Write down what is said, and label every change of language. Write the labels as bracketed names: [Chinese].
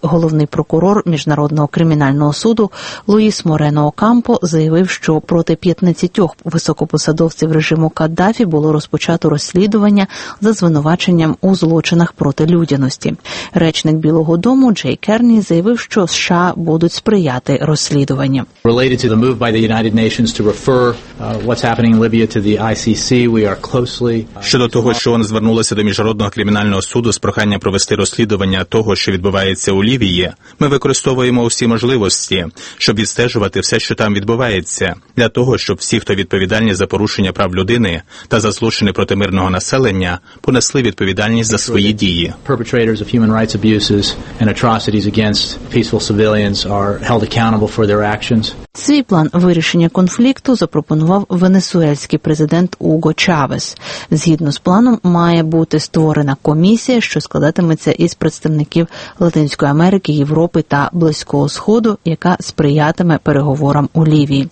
[Ukrainian] Головний прокурор Міжнародного кримінального суду Луїс Морено Окампо заявив, що проти 15 високопосадовців режиму Каддафі було розпочато розслідування за звинуваченням у злочинах проти людяності. Речник Білого дому Джей Керні заявив, що США будуть сприяти розслідуванню. рішення. [English] Related to the move by the United Nations to refer what's happening in Libya to the ICC, we are closely. [Ukrainian] Щодо того, що вони звернулися до міжнародного кримінального суду з проханням провести розслідування того, що відбувається у Лівії, ми використовуємо всі можливості, щоб відстежувати все, що там відбувається, для того, щоб всі, хто відповідальні за порушення прав людини та за злочини проти мирного населення, понесли відповідальність за свої дії. [English] Perpetrators of human rights abuses and atrocities against peaceful civilians are held accountable for their actions. [Ukrainian] Свій план вирішення конфлікту запропонував венесуельський президент Уго Чавес. Згідно з планом, має бути створена комісія, що складатиметься із представників Латинської Америки, Європи та Близького Сходу, яка сприятиме переговорам у Лівії.